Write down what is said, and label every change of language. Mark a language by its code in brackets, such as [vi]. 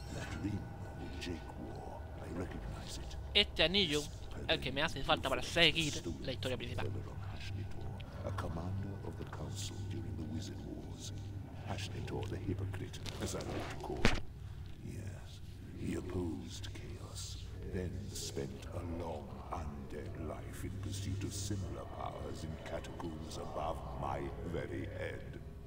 [en] That ring that Jake wore, I recognize it. [es] Este anillo, el que me hace falta para seguir la historia principal. [en] A commander of the council during the Wizard Wars. Hashnitor the hypocrite, as I like to call him. Yes, he opposed chaos, then spent a long undead life in pursuit of similar powers in catacombs above my very head.